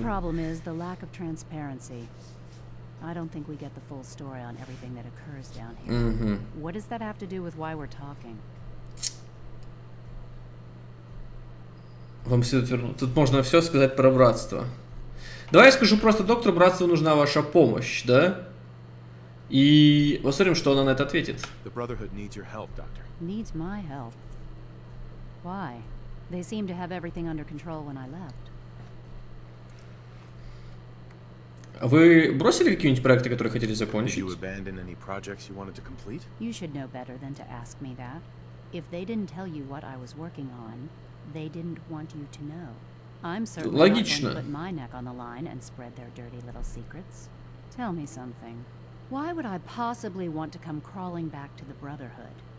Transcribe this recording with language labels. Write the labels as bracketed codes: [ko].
[ru] Проблема в том, что нет транспаренции. [en] I don't think we get the full story on everything that occurs down here. Mm-hmm. What does that have to do with why we're talking? [ru] Вам следует вернуть. Тут можно все сказать про братство. Давай я скажу просто, доктору братству нужна ваша помощь, да? И посмотрим, что она на это ответит. [en] The Brotherhood needs your help, doctor. Needs my help? Why? They seem to have everything under control when I left. [ru] Вы бросили какие-нибудь проекты, которые хотели закончить? [en] You should know better than to ask me that. If they didn't tell you what I was working on, they didn't want you to know. I'm certainly not going to put my neck on the line and spread their dirty little secrets. Tell me something. Why would I possibly want to come crawling back to the Brotherhood?